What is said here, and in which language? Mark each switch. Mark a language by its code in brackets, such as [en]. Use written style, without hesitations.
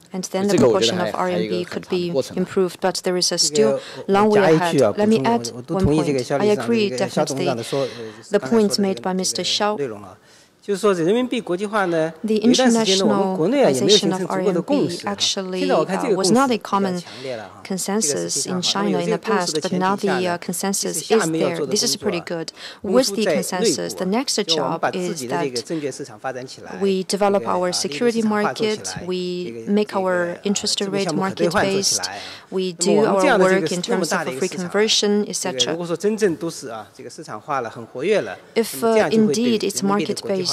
[en] And then the proportion of RMB could be improved, but there is a still long way ahead. Let me add one point. I agree definitely the points made by Mr. Xiao. [zh] 就是说，人民币国际化呢，一段时间呢，我们国内啊也没有形成足够的共识。现在我看这个共识比较强烈了哈。 [en] Consensus in China in the past, but now the consensus is there. This is pretty good. With the consensus, the next job is that we develop our security market, we make our interest rate market based, we do our work in terms of free conversion, etc. If indeed it's market based.